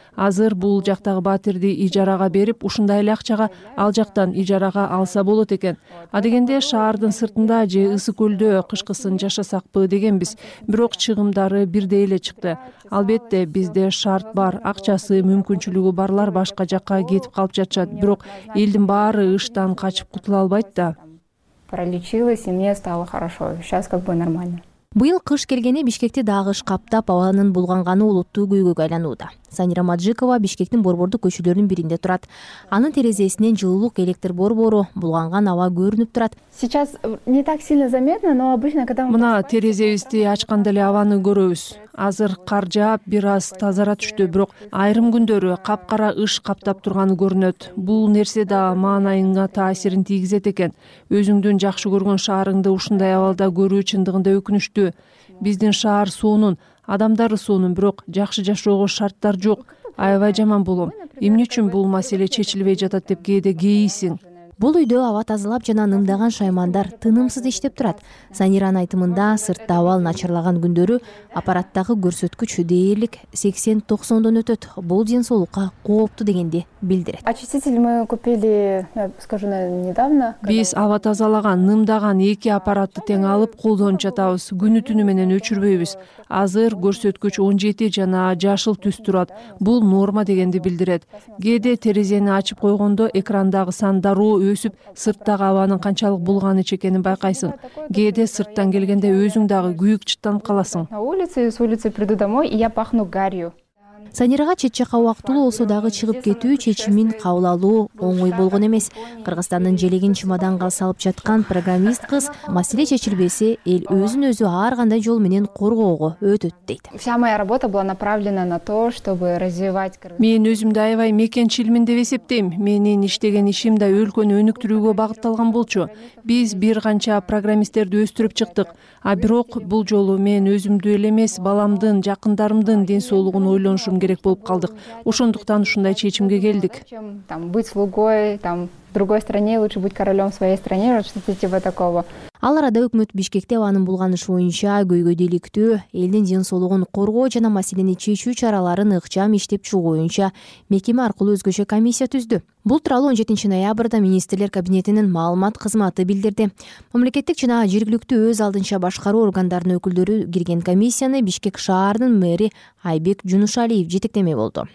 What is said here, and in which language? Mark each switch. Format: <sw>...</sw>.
<ky>Азыр бул жактагы батирди ижарага берип, ушундай эле акчага ал жактан ижарага алса болот экен. Адегенде шаардын сыртында же ысык көлдө кышкысын жашасакпы дегенбиз. Бирок чыгымдары бирдей эле чыкты. Албетте бизде шарт бар, акчасы, мүмкүнчүлүгү барлар башка жакка кетип калып жатышат. Бирок элдин баары ыштан качып кутула албайт да.</ky> <ru>Пролечилась и мне стало хорошо. Сейчас нормально.</ru> <ky>Быйыл кыш келгени Бишкекти дагы ыш каптап, абанын булганганы олуттуу көйгөйгө айланууда. Санира Маджикова Бишкектин борбордук көчөлөрүнүн биринде турат. Анын терезесинен жылуулук электр борбору, булганган аба көрүнүп турат.</ky> <ru>Сейчас не так сильно заметно, но обычно когда мы</ru> <ky>мына терезебизди ачканда эле абаны көрөбүз. Азыр кар жаап, бир аз тазара түштү, бирок айрым күндөрү капкара ыш каптап турганы көрүнөт. Бул нерсе да маанайыңга таасирин тийгизет экен. Өзүңдүн жакшы көргөн шаарыңды ушундай абалда көрүү чындыгында өкүнүчтүү. Биздин шаар суунун, адамдар суунун, бирок жакшы жашоого шарттар жок. Аябай жаман болом. Эмне үчүн бул маселе чечилбей жатат деп кээде кейисиң? Бул үйдө аба тазалап жана нымдаган шаймандар тынымсыз иштеп турат. Саниранын айтымында сыртта абал начарлаган күндөрү аппараттагы көрсөткүч дээрлик 80-90 өтөт. Бул ден соолукка кооптуу дегенди билдирет.</ky> <ru>Очиститель мы купили, скажу, недавно.</ru> <ky>Биз аба тазалаган, нымдаган эки аппаратты тең алып колдонуп жатабыз. Күнү түнү менен өчүрбөйбүз. Азыр көрсөткүч 17 жана жашыл түс турат. Бул норма дегенди билдирет. Кээде терезени ачып койгондо экрандагы сан дароо өсүп, сырттагы абанын канчалык булганы чекенин байкайсың. Кээде сырттан келгенде өзүң дагы күйүк чыттанып каласың.</ky> <ru>На улице, с улицы приду домой, и я пахну гарью.</ru> <ky>Санирага чечек убактылуу болсо дагы чыгып кетүү чечимин кабыл алуу оңой болгон эмес. Кыргызстандын желегин чемоданга салып жаткан программист кыз маселе чечилбесе эл өзүн өзү ар кандай жол менен коргоого өтөт дейт.</ky> <ru>Вся моя работа была направлена на то, чтобы развивать.</ru> <ky>Мен өзүмдү аябай мекенчилмин деп эсептейм. Менин иштеген ишим да өлкөнү өнүктүрүүгө багытталган болчу. Биз бир канча программисттерди өстүрүп чыктык. А бирок бул жолу мен өзүмдү эле эмес, баламдын, жакындарымдын ден соолугун ойлонушум керек болуп калдык. Ошондуктан ушундай чечимге келдик.</ky> <ru>Там быть слугой, там в другой стране лучше быть королем своей стране, что-то типа такого.</ru> <ky>Ал арада өкмөт Бишкекте анын булган иши боюнча көйгөйдөлүктүү, элдин ден соолугун коргоо жана маселени чечүү чараларын ыкчам иштеп чыгуу боюнча мекеме аркылуу өзгөчө комиссия түздү. Бул тууралуу 17 ноябрда министрлер кабинетинин маалымат кызматы билдирди. Мамлекеттик жана жергиликтүү өз алдынча башкаруу органдарынын өкүлдөрү кирген комиссияны Бишкек шаарынын мэри Айбек Жунушалиев жетектемек болду.</ky>